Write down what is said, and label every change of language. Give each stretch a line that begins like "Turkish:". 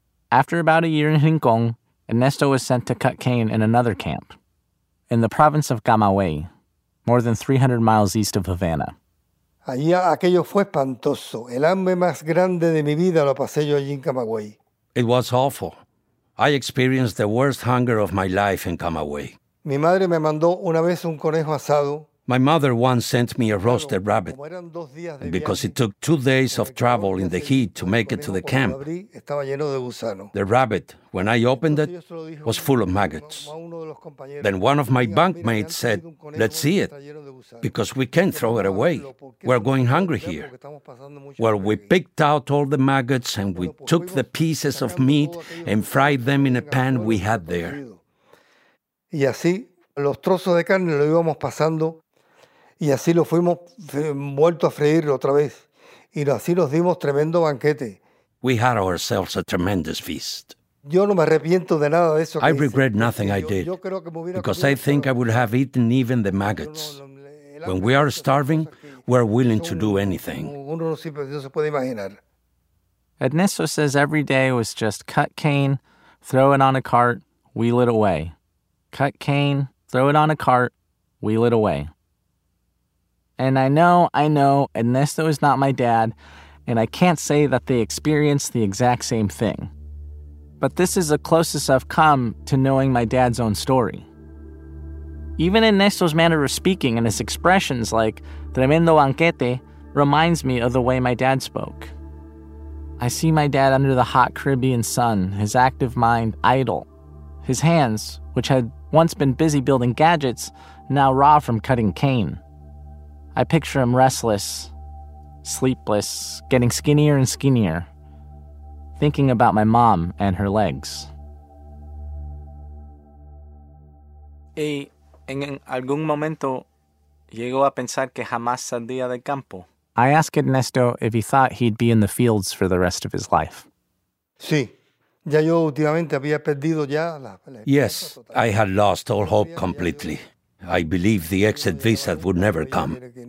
English: After about a year in Hincong, Ernesto was sent to cut cane in another camp, in the province of Camagüey, more than 300 miles east of Havana.
Spanish: Allí aquello fue espantoso. El hambre más grande de mi vida lo pasé yo allí en Camagüey.
English: It was awful. I experienced the worst hunger of my life in Camagüey.
Spanish: Mi madre me mandó una vez un conejo asado.
English: My mother once sent me a roasted rabbit, and because it took 2 days of travel in the heat to make it to the camp, the rabbit, when I opened it, was full of maggots. Then one of my bunkmates said, "Let's see it, because we can't throw it away. We're going hungry here." Well, we picked out all the maggots and we took the pieces of meat and fried them in a pan we had there.
Spanish: Y así los trozos de carne lo íbamos pasando. Y así lo fuimos vuelto a freír otra vez. Y así nos dimos tremendo banquete.
English: We had ourselves a tremendous feast.
Spanish: Yo no me arrepiento de nada de eso.
English: I regret nothing I did, because I think I would have eaten even the maggots. When we are starving, we are willing to do anything.
Spanish: Uno no se puede imaginar.
English: Ernesto says every day was just cut cane, throw it on a cart, wheel it away. Cut cane, throw it on a cart, wheel it away. And I know, Ernesto is not my dad, and I can't say that they experienced the exact same thing. But this is the closest I've come to knowing my dad's own story. Even Ernesto's manner of speaking and his expressions like
Spanish: tremendo banquete
English: reminds me of the way my dad spoke. I see my dad under the hot Caribbean sun, his active mind idle, his hands, which had once been busy building gadgets, now raw from cutting cane. I picture him restless, sleepless, getting skinnier and skinnier, thinking about my mom and her legs.
Spanish: Y en algún momento llegó a pensar que jamás saldría del campo.
English: I ask Ernesto if he thought he'd be in the fields for the rest of his life.
Spanish: Sí. Ya yo últimamente había perdido ya la...
English: Yes, I had lost all hope completely. I believed the exit visa would never come.